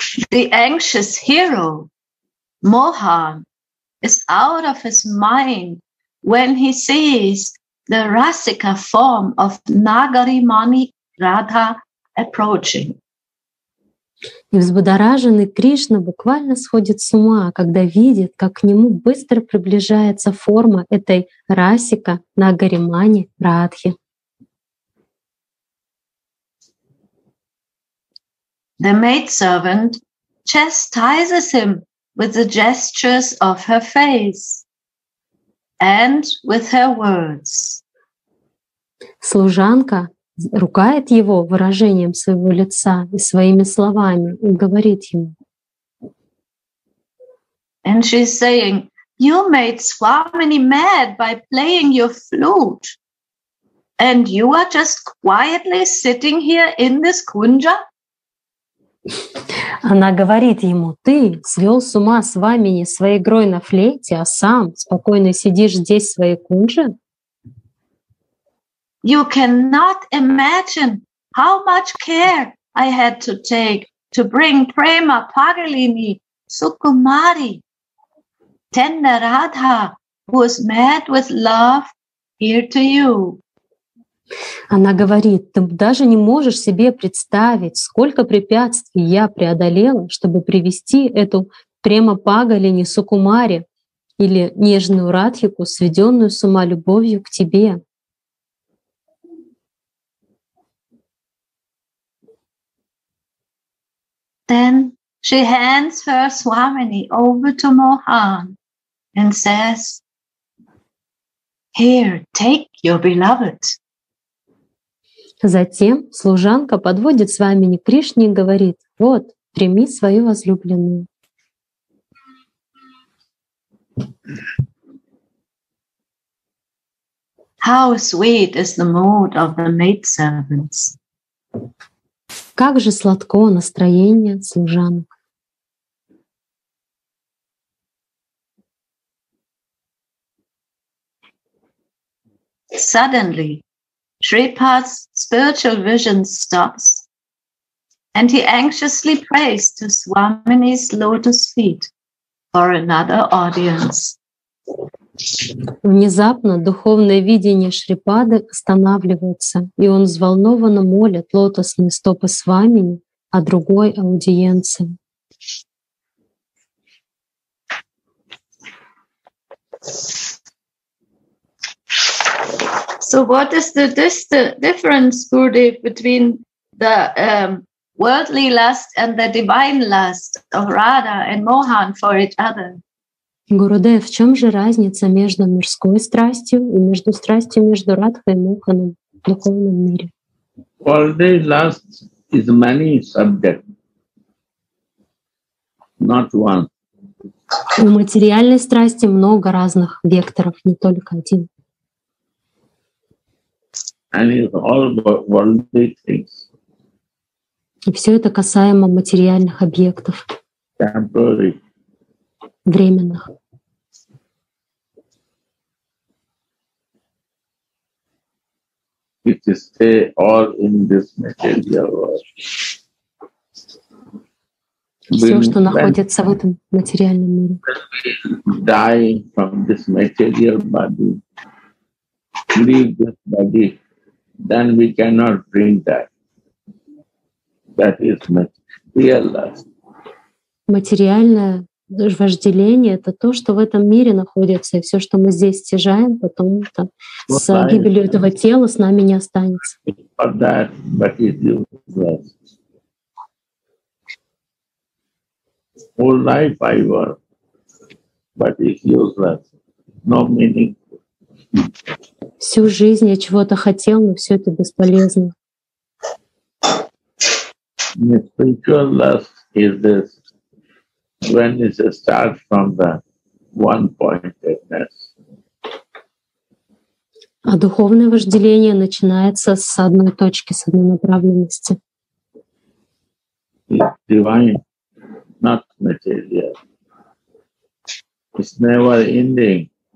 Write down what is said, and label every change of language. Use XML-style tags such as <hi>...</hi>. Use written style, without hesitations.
<en>The anxious hero, Mohan, is out of his mind when he sees the rasika form of Nagari Mani Radha approaching.</en> <ru>И взбудораженный Кришна буквально сходит с ума, когда видит, как к нему быстро приближается форма этой Расика на Гаримане Радхи.</ru> <en>The maidservant chastises him with the gestures of her face and with her words.</en> <ru>Служанка ругает его выражением своего лица и своими словами и говорит ему.</ru> <en>And she's saying, you made Swamini mad by playing your flute. And you are just quietly sitting here in this kunja?</en> <ru>Она говорит ему, ты свел с ума Свамини своей игрой на флейте, а сам спокойно сидишь здесь в своей кунже?</ru> <en>You cannot imagine how much care I had to take to bring Prema Pagalini, Sukumari, tender Radha, who is mad with love, here to you.</en> <ru>Она говорит, ты даже не можешь себе представить, сколько препятствий я преодолела, чтобы привести эту Према Пагалини Сукумари или нежную Радхику, сведенную с ума любовью к тебе.</ru> <en>Then she hands her Swamini over to Mohan and says, here, take your beloved.</en> <ru>Затем служанка подводит Свамини к Кришне и говорит, вот, прими свою возлюбленную.</ru> <en>How sweet is the mood of the maidservants.</en> <ru>Как же сладко настроение служанок.</ru> <en>Suddenly, Shripad's spiritual vision stops, and he anxiously prays to Swamini's lotus feet for another audience.</en> <ru>Внезапно духовное видение Шрипады останавливается, и он взволнованно молит лотосные стопы Свамини о другой аудиенции.</ru> <en>So what is the difference, Gurudev, between the worldly lust and the divine lust of Radha and Mohan for each other?</en> <ru>Гурудев, в чем же разница между мирской страстью и между страстью между Радхой и Моханом в духовном мире?</ru> <en>Worldly lust is many subject, not one.</en> <ru>У материальной страсти много разных векторов, не только один.</ru> <en>And it's all worldly things.</en> <ru>И все это касаемо материальных объектов.</ru> <en>Temporary.</en> <ru>Временных.</ru> <en>It is stay all in this material world.</en> <ru>Все, что находится в этом материальном мире.</ru> <en>Dying from this material body, leave this body, then we cannot bring that. That is material lust.</en> <ru>Материальное вожделение — это то, что в этом мире находится, и все, что мы здесь стяжаем, потом это с гибелью этого тела с нами не останется.</ru> <en>For that, but it is lust. Whole life I work, but it is useless, no meaning.</en> <ru>Всю жизнь я чего-то хотел, но все это бесполезно.</ru> <en>Spiritual lust is this, when it starts from the one-pointedness.</en> <ru>А духовное вожделение начинается с одной точки, с одной направленности.</ru> <en>It's divine, not material. It's never ending.</en>